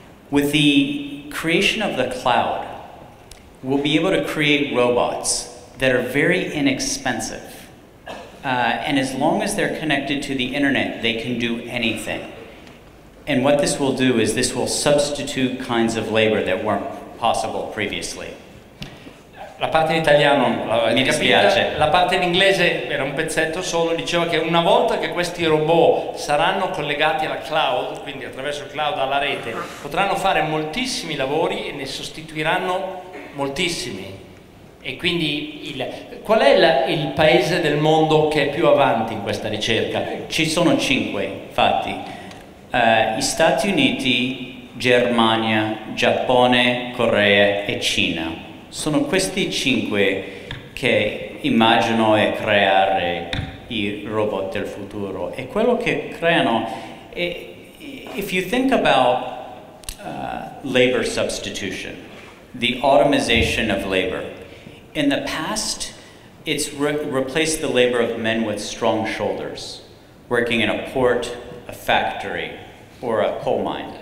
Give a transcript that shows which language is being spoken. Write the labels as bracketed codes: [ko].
[en] With the creation of the cloud, we'll be able to create robots that are very inexpensive. And as long as they're connected to the internet, they can do anything. And what this will do is this will substitute kinds of labor that weren't possible previously. [it] La parte in italiano, mi dispiace. La parte in inglese era un pezzetto solo, diceva che una volta che questi robot saranno collegati alla cloud, quindi attraverso il cloud alla rete, potranno fare moltissimi lavori e ne sostituiranno moltissimi. E quindi qual è il paese del mondo che è più avanti in questa ricerca? Ci sono cinque, infatti. Gli Stati Uniti, Germania, Giappone, Corea e Cina. Sono questi cinque che immagino e creare i robot del futuro. [en] E quello che creano, if you think about labor substitution, the automation of labor, in the past, it's replaced the labor of men with strong shoulders, working in a port, a factory, or a coal mine.